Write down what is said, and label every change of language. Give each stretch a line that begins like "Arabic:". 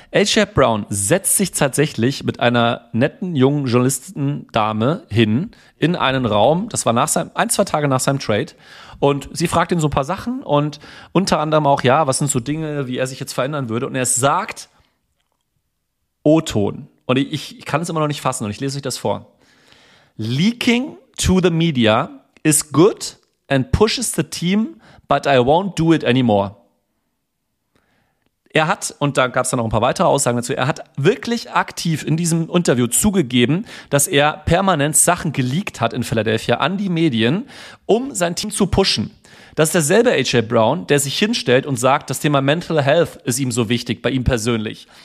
German: AJ Brown setzt sich tatsächlich mit einer netten, jungen Journalistendame hin in einen Raum, das war zwei Tage nach seinem Trade, und sie fragt ihn so ein paar Sachen und unter anderem auch, ja, was sind so Dinge, wie er sich jetzt verändern würde, und er sagt O-Ton. Und ich kann es immer noch nicht fassen und ich lese euch das vor.
English: Leaking to the media is good and pushes the team, but I won't do it anymore.
German: Er hat, und da gab es dann noch ein paar weitere Aussagen dazu, er hat wirklich aktiv in diesem Interview zugegeben, dass er permanent Sachen geleakt hat in Philadelphia an die Medien, um sein Team zu pushen. Das ist derselbe AJ Brown, der sich hinstellt und sagt, das Thema Mental Health ist ihm so wichtig, bei ihm persönlich.